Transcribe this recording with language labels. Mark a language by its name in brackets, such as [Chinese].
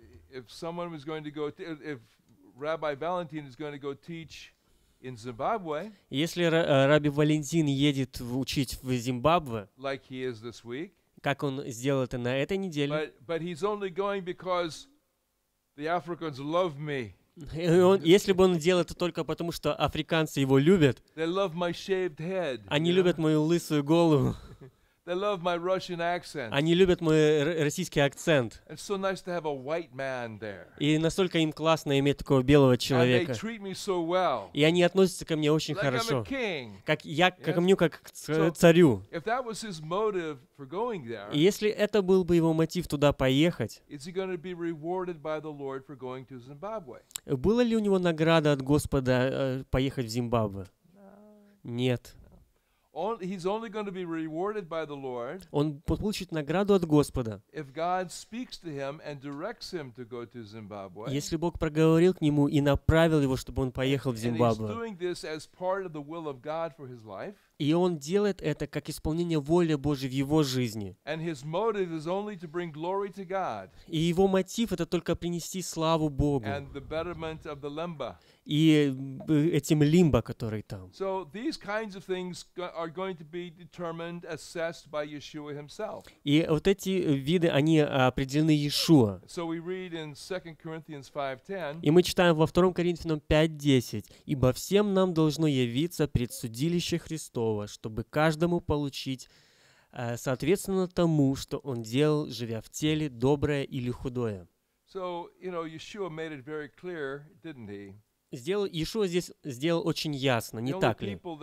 [English] If someone is going to go, if Rabbi Valentin is going to go teach in Zimbabwe, [Russian] если Рабби Валентин едет учить в Зимбабве, [English] like he is this week, [Russian] как он сделал это на этой неделе, [English] but he's only going because the Africans love me. [Russian] Если бы он делал это только потому, что африканцы его любят, [English] they love my shaved head, [Russian] они любят мою лысую голову. [English] They love my Russian accent. [Russian] Они любят мой российский акцент. [English] It's so nice to have a white man there. [Russian] И настолько им классно иметь такого белого человека. [English] And they treat me so well. [Russian] И они относятся ко мне очень [English] like [Russian] хорошо. [English] I'm a king. [Russian] Как я yes? ко мне как к царю. [English] So, if that was his motive for going there, [Russian] и если это был бы его мотив туда поехать, [English] is he going to be rewarded by the Lord for going to Zimbabwe? [Russian] Была ли у него награда от Господа поехать в Зимбабве? Нет. [English] He's only going to be rewarded by the Lord. [Russian] Он получит награду от Господа. [English] If God speaks to him and directs him to go to Zimbabwe. [Russian] Если Бог проговорил к нему и направил его, чтобы он поехал в Зимбабве. [English] And he's doing this as part of the will of God for his life. [Russian] И он делает это как исполнение воли Божьей в его жизни. [English] And his motive is only to bring glory to God. [Russian] И его мотив это только принести славу Богу. [English] And the betterment of the Lemba. [Russian] И этим лимба, который там. [English] So these kinds of things are going to be determined, assessed by Yeshua himself. [Russian] И вот эти виды, они определены Иешуа. [English] So we read in 2 Corinthians 5:10. [Russian] И мы читаем во 2 Коринфянам 5:10. Ибо всем нам должно явиться пред судилище Христово, чтобы каждому получить соответственно тому, что он делал, живя в теле, доброе или худое. [English] So, you know, Yeshua made it very clear, didn't he? [Russian] Иешуа здесь сделал очень ясно, не так ли?